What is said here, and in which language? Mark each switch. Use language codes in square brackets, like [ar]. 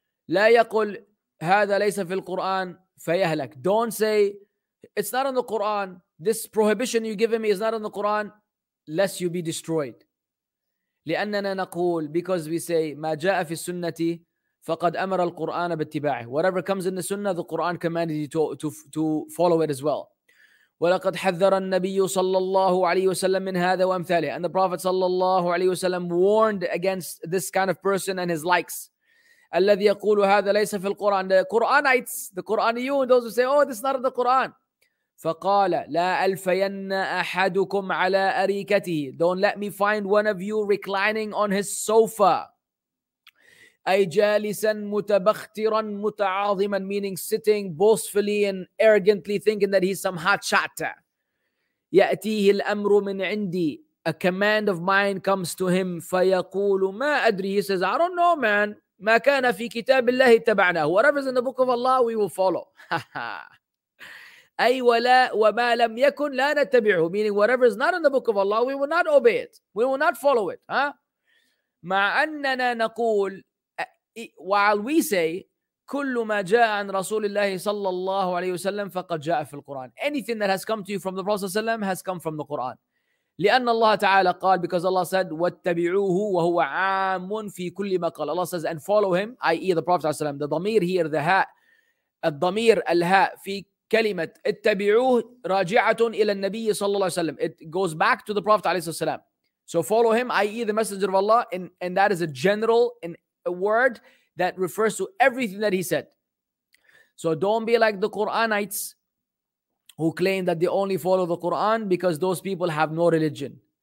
[ar] لا يقول هذا ليس في القرآن فيهلك. [en] Don't say, it's not in the Quran. This prohibition you've given me is not in the Quran, lest you be destroyed. [ar] لأننا نقول, [en] because we say, [ar] ما جاء في السنة فقد أمر القرآن باتباعه. [en] Whatever comes in the Sunnah, the Quran commanded you to follow it as well. [ar] ولقد حذر النبي صلى الله عليه وسلم من هذا وأمثاله. [en] And the Prophet [ar] صلى الله عليه وسلم [en] warned against this kind of person and his likes. [ar] الذي يقول هذا ليس في القرآن. [en] The Quranites, the Quranians, those who say, oh, this is not in the Quran. [ar] فقال لا ألفين أحدكم على أريكته. [en] Don't let me find one of you reclining on his sofa. [ar] أي جالسا متبخترا متعاظما, [en] meaning sitting boastfully and arrogantly thinking that he's some hot shot. [ar] يأتيه الأمر من عندي. [en] A command of mine comes to him. [ar] فيقول ما أدري. [en] He says, I don't know, man. [ar] ما كان في كتاب الله اتبعناه. [en] Whatever is in the book of Allah, we will follow. [ar] أي ولا وما لم يكن لا نتبعه. [en] Meaning whatever is not in the book of Allah, we will not obey it. We will not follow it. Huh? [ar] مع أننا نقول, [en] while we say, [ar] كل ما جاء عن رسول الله صلى الله عليه وسلم فقد جاء في القرآن. [en] Anything that has come to you from the Prophet [ar] صلى الله عليه وسلم [en] has come from the Quran. [ar] لأن الله تعالى قال, [en] because Allah said, [ar] واتبعوه وهو عام في كل ما قال. [en] Allah says, and follow him, i.e. the Prophet [ar] صلى الله عليه وسلم. The ضمير [en] here, the [ar] ها, الضمير الها في كلمة اتبعوه راجعة إلى النبي صلى الله عليه وسلم. [en] It goes back to the Prophet [ar] عليه الصلاة والسلام. [en] So follow him, i.e. the Messenger of Allah, and that is a general in a word that refers to everything that he said. So don't be like the Quranites who claim that they only follow the Quran, because those people have no religion.